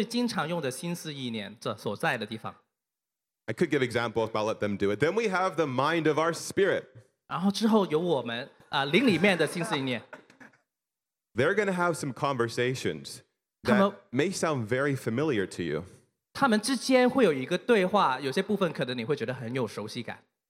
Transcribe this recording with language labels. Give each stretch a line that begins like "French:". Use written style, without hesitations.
Chinese: 这就是你所用最经常用的心思意念所在的地方。
English: I could give examples, but I'll let them do it. Then we have the mind of our spirit.
Chinese: 然后之后有我们, 灵里面的心思意念。
English: They're going to have some conversations that
Chinese: 他们,
English: may sound very familiar to you.
Chinese: 他们之间会有一个对话, 有些部分可能你会觉得很有熟悉感。